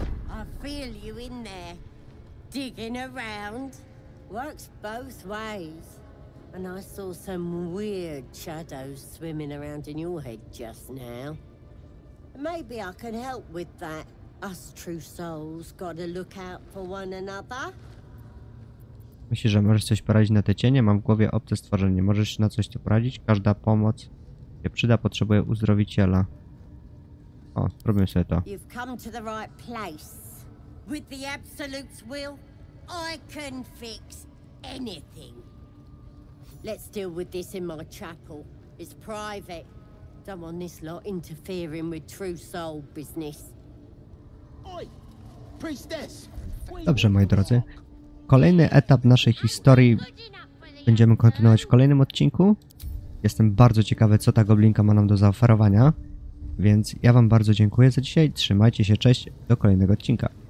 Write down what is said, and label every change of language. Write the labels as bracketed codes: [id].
[en] I feel you in there, digging around. Works both ways. And I saw some weird shadows swimming around in your head just now. Maybe I can help with that. Us true souls gotta look out for one another. [pl] Myślisz, że możesz coś poradzić na te cienie? Mam w głowie obce stworzenie. Możesz na coś tu poradzić? Każda pomoc się przyda, potrzebuje uzdrowiciela. O, zrobimy sobie to. [en] You've come to the right place. With the absolute's will, I can fix anything. Let's deal with this in my chapel. It's private. Don't want this lot interfering with true soul business. Oi, priestess. [pl] Dobrze, moi drodzy. Kolejny etap naszej historii będziemy kontynuować w kolejnym odcinku. Jestem bardzo ciekawy, co ta goblinka ma nam do zaoferowania, więc ja wam bardzo dziękuję za dzisiaj. Trzymajcie się, cześć, do kolejnego odcinka.